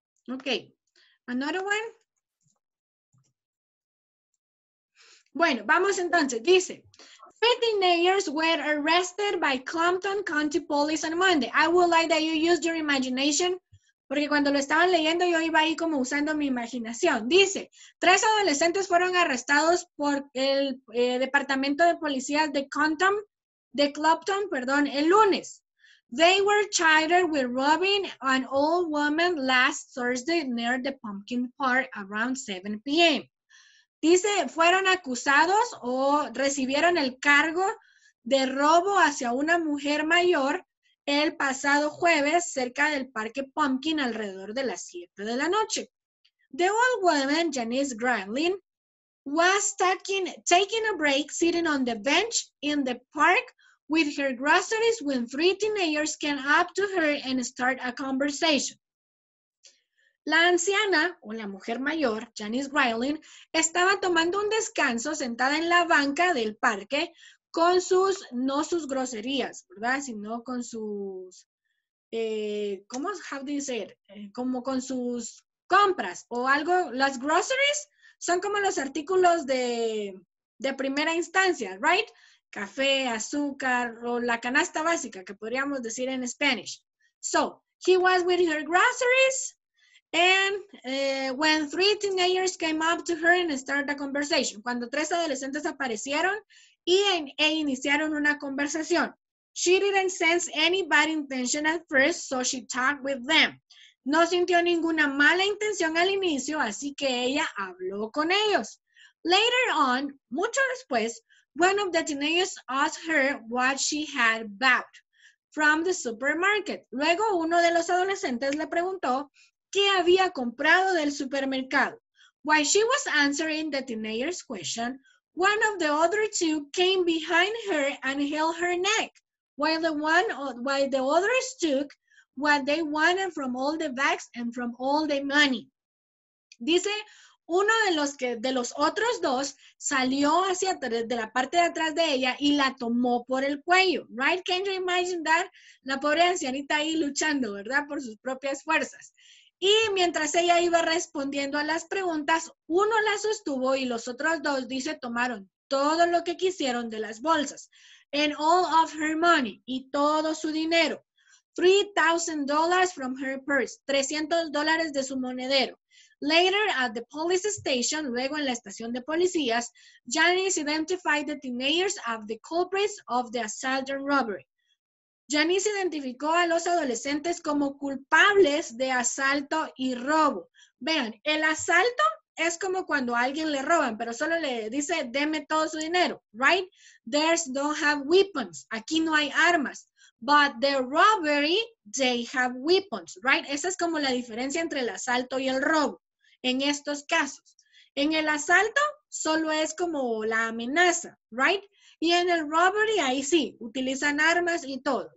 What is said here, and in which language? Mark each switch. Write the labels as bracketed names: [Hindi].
[English] Okay. Another one. [Spanish] Bueno, vamos entonces. [English] Dice, 15 teenagers were arrested by Clampton County Police on Monday. I would like that you use your imagination [Spanish] porque cuando lo estaban leyendo yo iba ahí como usando mi imaginación. Dice, tres adolescentes fueron arrestados por el departamento de policía de Clopton, el lunes. [English] They were charged with robbing an old woman last Thursday near the pumpkin park around 7 p.m. [Spanish] Dice, fueron acusados o recibieron el cargo de robo hacia una mujer mayor el pasado jueves cerca del parque Pumpkin alrededor de las 7 de la noche. [English] The old woman, Janice Granlin, was taking a break sitting on the bench in the park with her groceries when three teenagers came up to her and started a conversation. [Spanish] La anciana, o la mujer mayor, Janice Granlin, estaba tomando un descanso sentada en la banca del parque con sus, no sus groserías, ¿verdad? Sino con sus, ¿cómo? [English] How do you say it? [Spanish] Como con sus compras o algo. Las groceries son como los artículos de primera instancia, right? Café, azúcar, o la canasta básica, que podríamos decir en Spanish. [English] So, he was with her groceries, and when three teenagers came up to her and started a conversation, [Spanish] cuando tres adolescentes aparecieron, e iniciaron una conversación. [English] She didn't sense any bad intention at first, so she talked with them. [Spanish] No sintió ninguna mala intención al inicio, así que ella habló con ellos. [English] Later on, [Spanish] mucho después, [English] one of the teenagers asked her what she had bought from the supermarket. [Spanish] Luego, uno de los adolescentes le preguntó qué había comprado del supermercado. [English] While she was answering the teenager's question, one of the other two came behind her and held her neck while the others took what they wanted from all the bags and from all the money. [Spanish] Dice, uno de los otros dos salió hacia de la parte de atrás de ella y la tomó por el cuello. [English] Right? Can you imagine that? [Spanish] La pobre ancianita ahí luchando, ¿verdad? Por sus propias fuerzas. Y mientras ella iba respondiendo a las preguntas, uno la sostuvo y los otros dos, dice, tomaron todo lo que quisieron de las bolsas. [English] And all of her money, [Spanish] y todo su dinero. [English] $3,000 from her purse, $300 [Spanish] de su monedero. [English] Later at the police station, [Spanish] luego en la estación de policías, [English] Janice identified the teenagers as the culprits of the assault and robbery. [Spanish] Janice identificó a los adolescentes como culpables de asalto y robo. Vean, el asalto es como cuando a alguien le roban, pero solo le dice, deme todo su dinero, right? [English] There's don't have weapons, [Spanish] aquí no hay armas. [English] But the robbery, they have weapons, right? [Spanish] Esa es como la diferencia entre el asalto y el robo en estos casos. En el asalto, solo es como la amenaza, right? Y en el robbery, ahí sí, utilizan armas y todo.